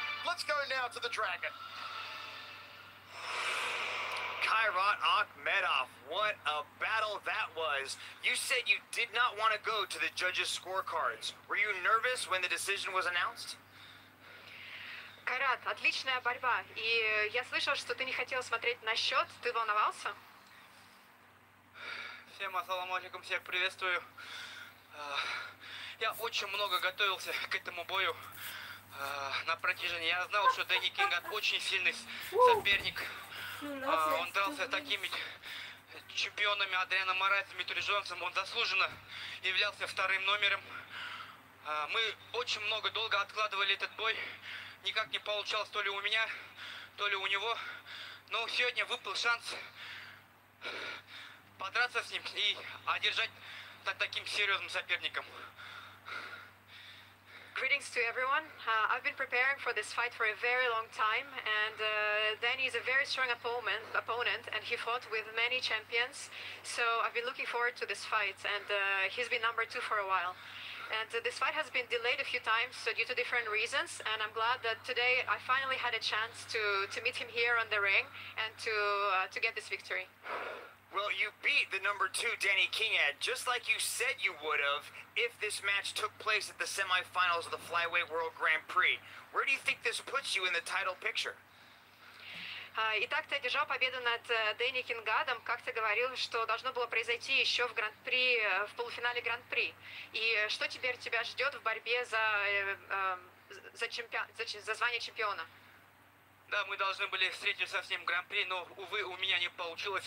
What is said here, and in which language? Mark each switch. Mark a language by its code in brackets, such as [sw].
[en] Let's go now to the Dragon. Kairat Akhmatov, what a battle that was. You said you did not want to go to the judges' scorecards. Were you nervous when the decision was announced? [ru] Kairat, отличная борьба. И я слышал, что ты не хотел смотреть на счет. Ты волновался? Всем ассаламу алейкум, всех приветствую. Я очень много готовился к этому бою. На протяжении я знал, что Дэнни Кинг очень сильный соперник. Он дрался такими чемпионами Адриана Морайса и Митри Джонсом. Он заслуженно являлся вторым номером. Мы очень много долго откладывали этот бой. Никак не получалось то ли у меня, то ли у него. Но сегодня выпал шанс подраться с ним и одержать над таким серьезным соперником. [en] Greetings to everyone. I've been preparing for this fight for a very long time, and Danny is a very strong opponent, and he fought with many champions. So I've been looking forward to this fight, and he's been number two for a while. And this fight has been delayed a few times due to different reasons, and I'm glad that today I finally had a chance to meet him here on the ring and to get this victory. Well, you beat the number two, Danny Kingad, just like you said you would have if this match took place at the semifinals of the Flyweight World Grand Prix. Where do you think this puts you in the title picture? [ru] Итак, ты одержал победу над Дэнни Кингадом, как ты говорил, что должно было произойти еще в гран-при, в полуфинале гран-при. И что теперь тебя ждет в борьбе за звание чемпиона? Да, мы должны были встретиться с ним в гран-при, но, увы, у меня не получилось.